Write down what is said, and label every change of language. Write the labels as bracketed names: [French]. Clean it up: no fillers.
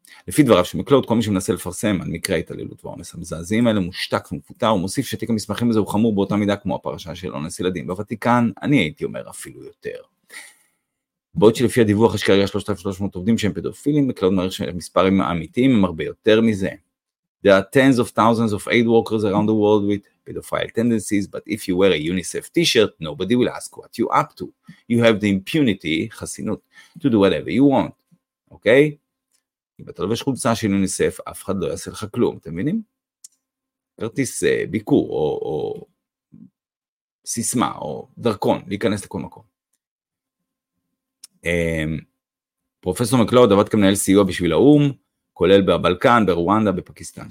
[Hebrew] לפי דבריו שמקלוד, כל מי שמנסה לפרסם על מקרה התעללות והאונס המזעזעים האלה מושתק ומפותר, הוא מוסיף שתיק המסמכים הזה הוא חמור באותה מידה כמו הפרשה של אונס ילדים בוותיקן, אני הייתי אומר אפילו יותר. בעוד שלפי הדיווח יש כרגע 3,300 עובדים שהם פדופילים, מקלוד מעריך שמספרים האמיתיים הם הרבה יותר מזה. [English] There are tens of thousands of aid workers around the world with pedophile tendencies, but if you wear a UNICEF t-shirt, nobody will ask what you're up to. You have the impunity, [Hebrew] חסינות, [English] to do whatever you want. Okay? [Hebrew] אם אתה לובש חולצה של UNICEF, אף אחד לא יעשה לך כלום, אתם מבינים? כרטיס ביקור, או סיסמה, או דרכון, להיכנס לכל מקום. פרופסור מקלוד עבד כמנהל סיוע בשביל האום, כולל בבלקן, ברואנדה, בפקיסטן.